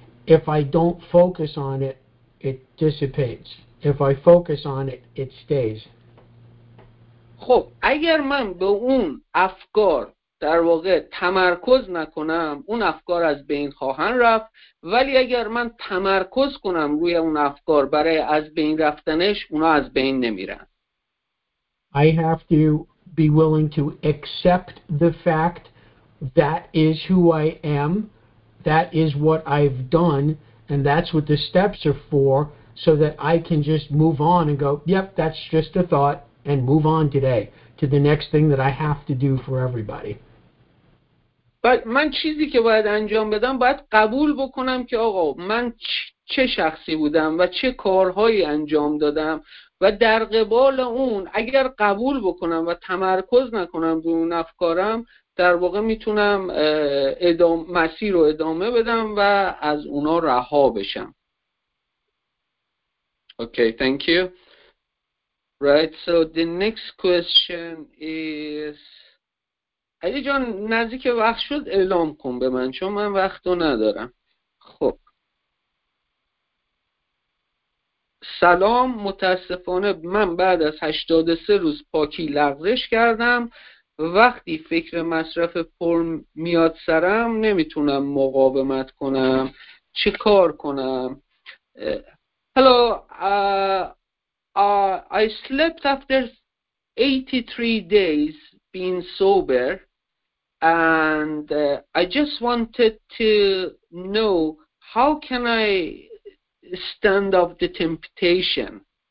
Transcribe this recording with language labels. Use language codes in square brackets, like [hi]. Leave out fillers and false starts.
[en] If I don't focus on it, it dissipates. If I focus on it, it stays. [fa] خب اگر من به اون افکار در واقع تمرکز نکنم، اون افکار از بین خواهند رفت، ولی اگر من تمرکز کنم روی اون افکار برای از بین رفتنش، اونا از بین نمیرن. [en] I have to be willing to accept the fact that is who I am, that is what I've done, and that's what the steps are for, so that I can just move on and go, yep, that's just a thought, and move on today to the next thing that I have to do for everybody. [fa] بعد من چیزی که باید انجام بدم، باید قبول بکنم که آقا من چه شخصی بودم و چه کارهایی انجام دادم و در قبال اون اگر قبول بکنم و تمرکز نکنم به اون افکارم، در واقع میتونم مسیر رو ادامه بدم و از اونا رها بشم. [en] Okay, thank you. Right, so the next question is [fa] علی جان، نزدیک وقت شد اعلام کن به من چون من وقت رو ندارم. خب سلام، متاسفانه من بعد از 83 روز پاکی لغزش کردم. وقتی فکر مصرف پرن میاد سرم نمیتونم مقاومت کنم، چه کار کنم؟ [en] Hello, I slept after 83 days being sober. And I just wanted to know, how can I stand up the temptation?